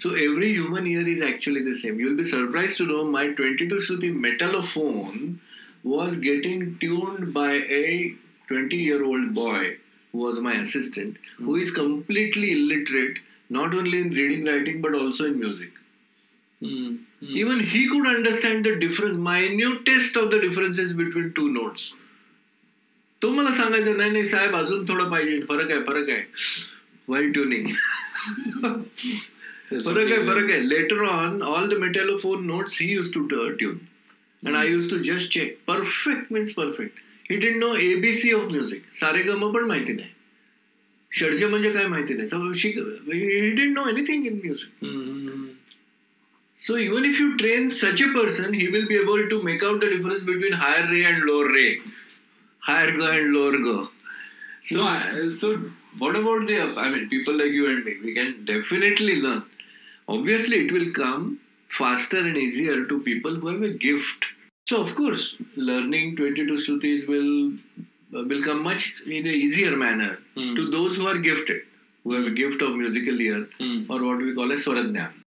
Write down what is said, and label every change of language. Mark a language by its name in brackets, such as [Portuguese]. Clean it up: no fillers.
[English] So every human ear is actually the same. You'll be surprised to know my 22 Shruti metallophone was getting tuned by a 20-year-old boy who was my assistant, who is completely illiterate, not only in reading, writing, but also in music. Even he could understand the difference, minutest of the differences between two notes. [Marathi] तो मला सांगायचं नाही नाही साहेब अजून थोडं पाहिजे फरक आहे [English] while tuning फरक आहे later on all the metallophone notes he used to tune and I used to just check perfect means perfect he did know ABC of music [Marathi] सारे गम पण माहिती नाही [English] षडज म्हणजे काय माहिती नाही he did know anything in music so even if you train such a person he will be able to make out the difference between higher re and lower re Higher go and lower go. So, so what about the, I mean, people like you and me, we can definitely learn. Obviously, it will come faster and easier to people who have a gift. So, of course, learning 22 Shrutis will come much in an easier manner to those who are gifted, who have a gift of musical ear or what we call a swaradnyan.